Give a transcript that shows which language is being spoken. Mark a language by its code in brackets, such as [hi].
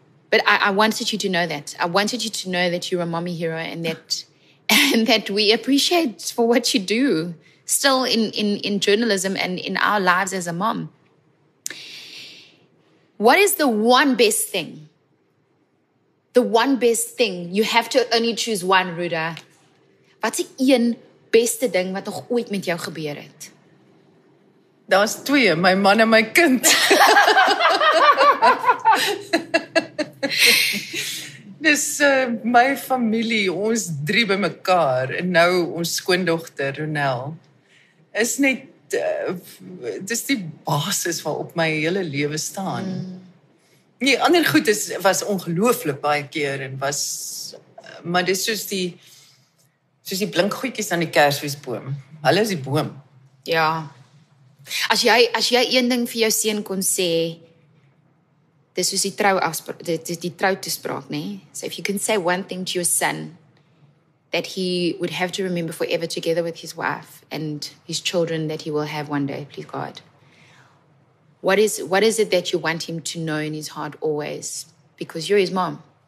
[en] But I wanted you to know that. I wanted you to know that you're a mommy hero and that we appreciate for what you do still in journalism and in our lives as a mom. What is the one best thing? The one best thing. You have to only choose one, Ruda. [af] Wat is een beste ding wat nog ooit met jou gebeur het? Daar's twee, my man en my kind. Dis my familie, ons drie by mekaar en nou ons skoondogter Ronel is net dis die basis waarop my hele lewe staan. Nee, ander goed is, was ongelooflik baie keer en was, maar dit is soos die blinkgoedjies aan die kersfeesboom. Hulle is die boom. Ja. As jy een ding vir jou seun kon sê, dis soos die trou die trou toespraak, nê? [en] So if you can say one thing to your son that he would have to remember forever together with his wife and his children that he will have one day, please God. What is it that you want him to know in his heart always? Because you're his mom.